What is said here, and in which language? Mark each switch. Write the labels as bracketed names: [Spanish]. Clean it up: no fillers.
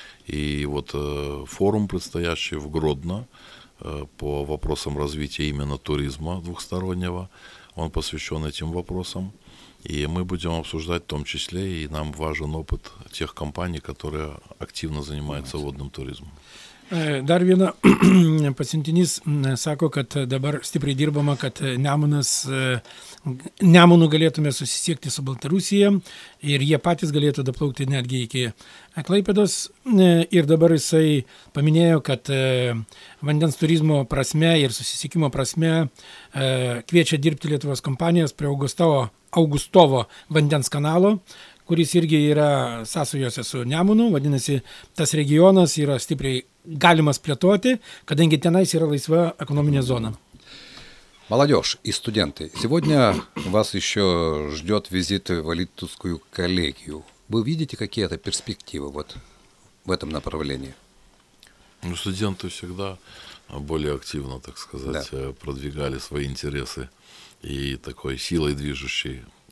[Russian] И вот форум предстоящий в Гродно по вопросам развития именно туризма двухстороннего, он посвящен этим вопросам. И мы будем обсуждать в том числе, и нам важен опыт тех компаний, которые активно занимаются водным туризмом. [Lithuanian] Dar viena pasiuntinys sako, kad dabar stipriai dirbama, kad Nemunu galėtume susisiekti su Baltarusija ir jie patys galėtų daplaukti netgi iki Klaipėdos. Ir dabar jisai paminėjo, kad vandens turizmo prasme ir susisiekimo prasme kviečia dirbti Lietuvos kompanijas prie Augustovo vandens kanalo. Kuris irgi yra sąsajose su Nemunu, vadinasi, tas regionas yra stipriai galimas plėtoti, kadangi tenais yra laisva ekonominė zona. [Russian] Молодежь и студенты, сегодня вас еще ждет визит в Литовскую коллегию. Вы видите какие-то перспективы вот в этом направлении? Ну, студенты всегда более активно, так сказать, да. продвигали свои интересы и такой силой движущей.